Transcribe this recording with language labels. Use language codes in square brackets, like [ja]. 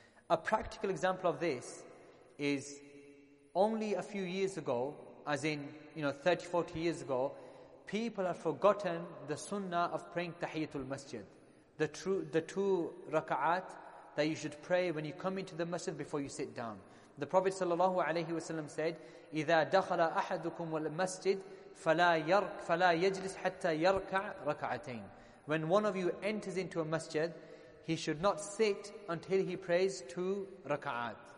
[en] A practical example of this is only a few years ago, as in, 30, 40 years ago, people had forgotten the sunnah of praying tahiyatul masjid. The two raka'at that you should pray when you come into the masjid before you sit down. The Prophet sallallahu alayhi wa sallam said, [ar] إِذَا دَخَلَ أَحَدُكُمْ وَالْمَسْجِدْ فَلَا يَجْلِسْ حَتَّى يَرْكَعْ رَكَعَتَيْنِ. [en] When one of you enters into a masjid, he should not sit until he prays two raka'at.